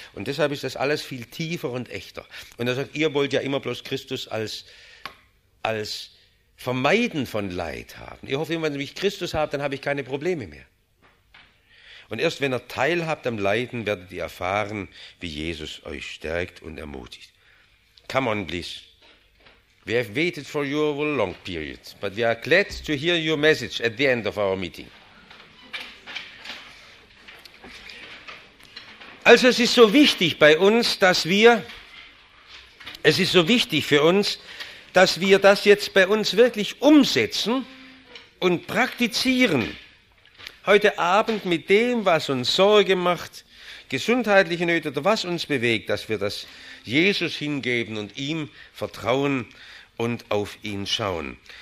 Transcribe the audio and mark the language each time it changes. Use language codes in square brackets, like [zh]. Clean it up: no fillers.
[de] Und deshalb ist das alles viel tiefer und echter. Und er sagt, ihr wollt ja immer bloß Christus als Vermeiden von Leid haben. Ihr hofft immer, wenn ich Christus habe, dann habe ich keine Probleme mehr. Und erst wenn ihr teilhabt am Leiden, werdet ihr erfahren, wie Jesus euch stärkt und ermutigt. [en] Come on, please. We have waited for you over a long period, but we are glad to hear your message at the end of our meeting. [de] Also es ist so wichtig bei uns, dass wir das jetzt bei uns wirklich umsetzen und praktizieren. Heute Abend mit dem, was uns Sorge macht, gesundheitliche Nöte oder was uns bewegt, dass wir das Jesus hingeben und ihm vertrauen und auf ihn schauen.